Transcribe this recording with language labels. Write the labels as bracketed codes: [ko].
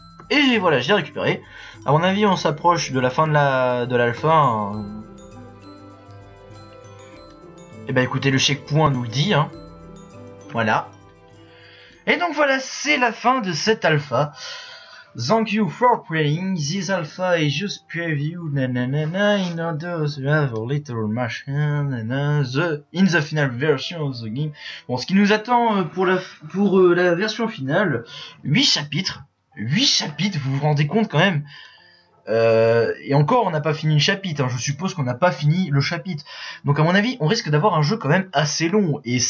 [fr] Et voilà, j'ai récupéré. À mon avis, on s'approche de la fin de l'alpha. Et bah écoutez, le checkpoint nous le dit. Hein. Voilà. Et donc voilà, c'est la fin de cet alpha. [en] Thank you for playing. This alpha is just preview. Nanana, in order to have a little machine. In the final version of the game. [fr] Bon, ce qui nous attend pour la version finale, 8 chapitres. 8 chapitres, vous vous rendez compte quand même? Et encore, on n'a pas fini le chapitre. Hein. Je suppose qu'on n'a pas fini le chapitre. Donc, à mon avis, on risque d'avoir un jeu quand même assez long.